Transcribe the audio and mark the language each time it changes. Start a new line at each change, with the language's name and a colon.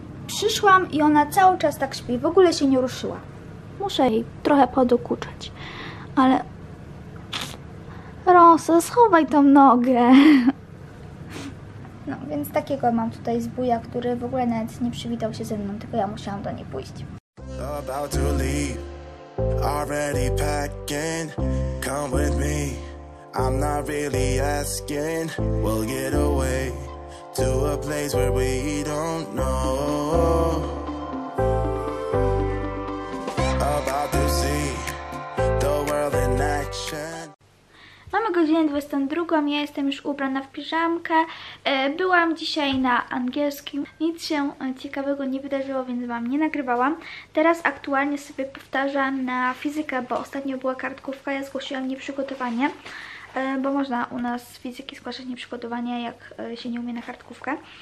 Polish: Przyszłam i ona cały czas tak śpi. W ogóle się nie ruszyła. Muszę jej trochę podokuczać. Ale... Rosa, schowaj tą nogę. No, więc takiego mam tutaj zbuja, który w ogóle nawet nie przywitał się ze mną, tylko ja musiałam do niej pójść.
English: About to leave, already packing. Come with me, I'm not really asking. We'll get away to a place where we don't know. About to see the world in action.
Polish: Mamy godzinę 22, ja jestem już ubrana w piżamkę. Byłam dzisiaj na angielskim. Nic się ciekawego nie wydarzyło, więc Wam nie nagrywałam. Teraz aktualnie sobie powtarzam na fizykę, bo ostatnio była kartkówka, ja zgłosiłam nieprzygotowanie, bo można u nas z fizyki zgłaszać nieprzygotowanie, jak się nie umie na kartkówkę.